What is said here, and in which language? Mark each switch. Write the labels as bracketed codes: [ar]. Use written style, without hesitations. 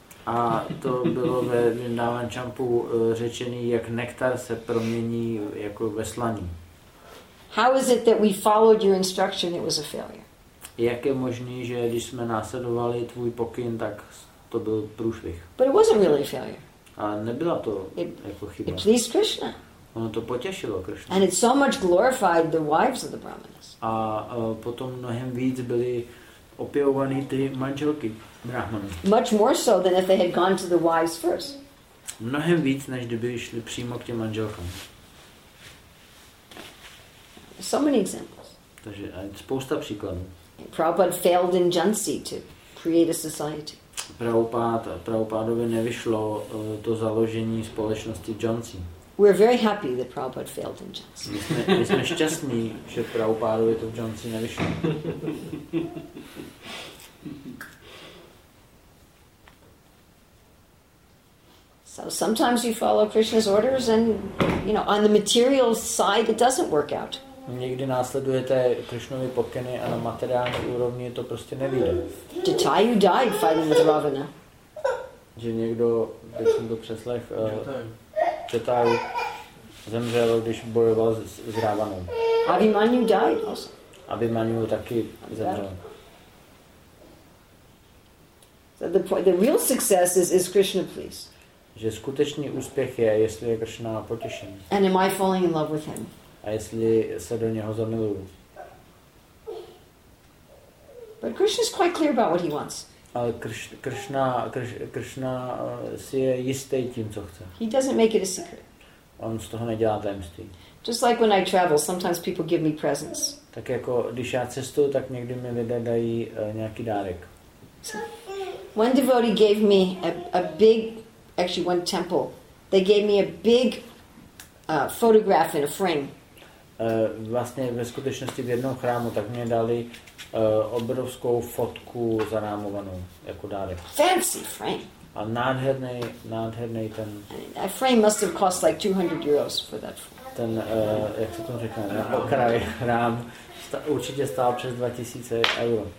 [cs] A to bylo ve Vrindavan Champu řečený, jak nektar se promění jako ve slaní. [en] How is it that we followed your instruction, it was a failure? [cs] Jak je možný, že když jsme následovali tvůj pokyn, tak to byl průšvih? [en] But it wasn't really a failure. [cs] A nebyla to jako chyba. [en] It pleased Krishna. [cs] Ono to potěšilo Krishna. [en] And it so much glorified the wives of the brahmanas. [cs] A potom mnohem víc byly opěvovaný ty manželky brahmanů. [en] Much more so than if they had gone to the wives first. [cs] Mnohem víc, než kdyby šli přímo k těm manželkám. [en] So many examples. [cs] Takže spousta příkladů. [en] Prabhupada failed in Jhansi to create a society. [cs] Prabhupádovi nevyšlo to založení společnosti Jhansi. [en] We're very happy that Prabhupada failed in Jhansi. [cs] My jsme šťastní, že Prabhupádovi to v Jhansi nevyšlo. [en] So sometimes you follow Krishna's orders and, you know, on the material side it doesn't work out. [cs] Někdy následujete Krishnovy pokyny a na materiální úrovni to prostě nevíde. [en] Jatayu died fighting with Ravana. [cs] Že někdo, když jsem to přeslech, Jatayu zemřel, když bojoval s Ravanou. [en] Abhimanyu died also. [cs] Abhimanyu taky zemřel. [en] So the real success is Krishna please. [cs] Že skutečný úspěch je, jestli je Krishna potěšen. [en] And am I falling in love with him? [cs] A jestli se do něho zamiluju. [en] But Krishna is quite clear about what he wants. [cs] Ale Krishna si je jistý tím, co chce. [en] He doesn't make it a secret. [cs] On z toho nedělá tajemství. [en] Just like when I travel, sometimes people give me presents. [cs] Tak jako když já cestuju, tak někdy mi lidé dají nějaký dárek. [en] One devotee gave me a big, actually one temple. They gave me a big photograph in a frame. [cs] Vlastně ve skutečnosti v jednom chrámu tak mě dali obrovskou fotku zarámovanou jako dárek. [en] Fancy frame. [cs] A nádherný ten. [en] A frame must have cost like 200 euros for that. [cs] Ten jak se to říká, okraj chrám určitě stál přes 2000 euro.